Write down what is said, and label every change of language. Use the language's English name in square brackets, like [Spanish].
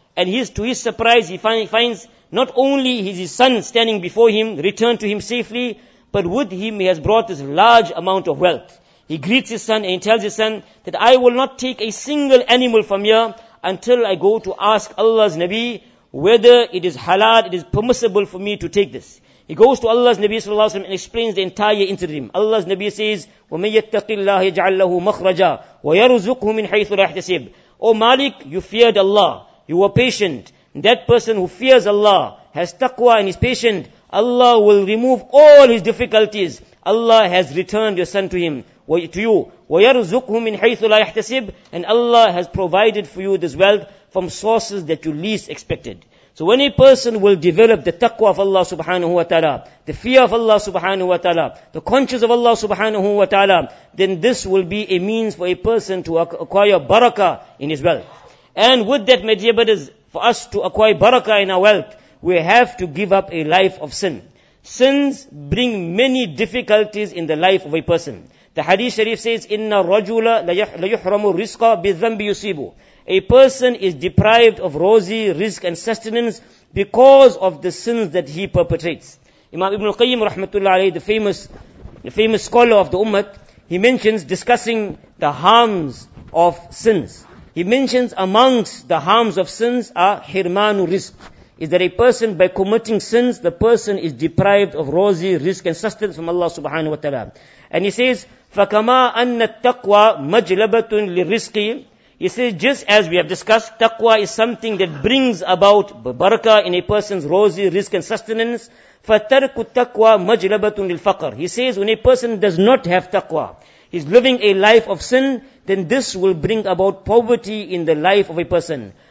[English] And to his surprise, he finds not only is his son standing before him, returned to him safely, but with him he has brought this large amount of wealth. He greets his son and he tells his son that I will not take a single animal from here until I go to ask Allah's Nabi whether it is halal, it is permissible for me to take this. He goes to Allah's Nabi sallallahu alaihi wasallam and explains the entire interim. Allah's Nabi says, [Arabic] وَمَن يَتَّقِ اللَّهِ يَجْعَلْ لَهُ مَخْرَجًا وَيَرُزُقْهُ مِنْ حَيْثُ لَا يَحْتَسِبْ. [English] O Malik, you feared Allah, you were patient. That person who fears Allah, has taqwa and is patient, Allah will remove all his difficulties. Allah has returned your son to him, to you. [Arabic] وَيَرْزُقْهُ مِنْ حَيْثُ لَا يَحْتَسِبْ. [English] And Allah has provided for you this wealth from sources that you least expected. So when a person will develop the taqwa of Allah subhanahu wa ta'ala, the fear of Allah subhanahu wa ta'ala, the conscience of Allah subhanahu wa ta'ala, then this will be a means for a person to acquire barakah in his wealth. And with that, my dear brothers, for us to acquire barakah in our wealth, we have to give up a life of sin. Sins bring many difficulties in the life of a person. The Hadith Sharif says, [Arabic] إِنَّ الرَّجُولَ لَيُحْرَمُ الرِّزْقَ بِالذَّنْبِ يُصِيبُ. [English] A person is deprived of rosy, risk and sustenance because of the sins that he perpetrates. Imam Ibn al-Qayyim rahmatullah alayhi, the famous scholar of the Ummah, he mentions discussing the harms of sins. He mentions amongst the harms of sins are hirmanu risk. Is that a person, by committing sins, the person is deprived of rosy, risk and sustenance from Allah subhanahu wa ta'ala. And he says, [Arabic] فَكَمَا أَنَّ التَّقْوَى مَجْلَبَةٌ لِلْرِزْقِ. [English] He says, just as we have discussed, taqwa is something that brings about barakah in a person's rosy, risk and sustenance. [Arabic] فَتَرْكُ التَّقْوَى مَجْلَبَةٌ لِلْفَقْرِ. [English] He says, when a person does not have taqwa, he's living a life of sin, then this will bring about poverty in the life of a person.